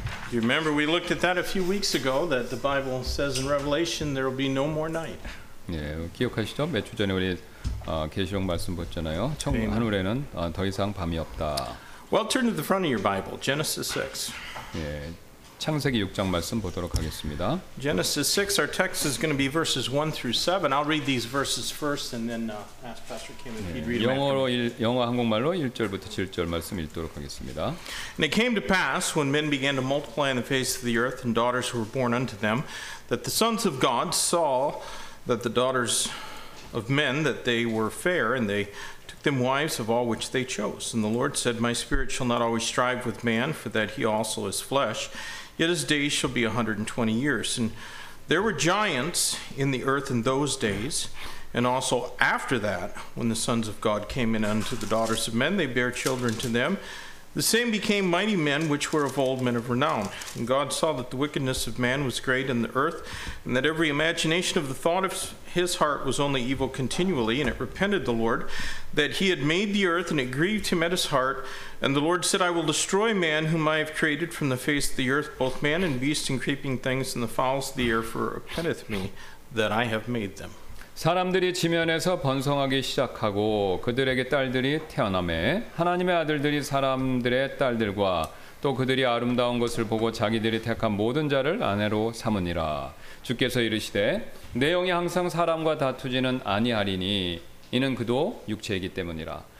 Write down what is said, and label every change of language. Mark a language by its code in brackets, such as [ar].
[en] You remember we looked at that a few weeks ago, that the Bible says in Revelation there will be no more night. [ko] 예, 기억하시죠? 몇 주 전에 우리 계시록 말씀 보셨잖아요. 천국 하늘에는 더 이상 밤이 없다. [en] Well, turn to the front of your Bible, Genesis 6. [ko] 예, 창세기 6장 말씀 보도록 하겠습니다. [en] Genesis 6, our text is going to be verses 1 through 7. I'll read these verses first, and then ask Pastor Kim if he'd read [ko] 영어로 [en] them. [ko] 영어 한국말로 1절부터 7절 말씀 읽도록 하겠습니다. [en] And it came to pass, when men began to multiply on the face of the earth, and daughters were born unto them, that the sons of God saw that the daughters of men, that they were fair, and they took them wives of all which they chose. And the Lord said, My spirit shall not always strive with man, for that he also is flesh. Yet his days shall be 120 years. And there were giants in the earth in those days, and also after that, when the sons of God came in unto the daughters of men, they bare children to them. The same became mighty men which were of old men of renown. And God saw that the wickedness of man was great in the earth, and that every imagination of the thought of his heart was only evil continually. And it repented the Lord that he had made the earth, and it grieved him at his heart. And the Lord said, I will destroy man whom I have created from the face of the earth, both man and beast and creeping things and the fowls of the air, for it repenteth me that I have made them. [ko] 사람들이 지면에서 번성하기 시작하고 그들에게 딸들이 태어나매 하나님의 아들들이 사람들의 딸들과 또 그들이 아름다운 것을 보고 자기들이 택한 모든 자를 아내로 삼으니라. 주께서 이르시되 내 영이 항상 사람과 다투지는 아니하리니 이는 그도 육체이기 때문이라.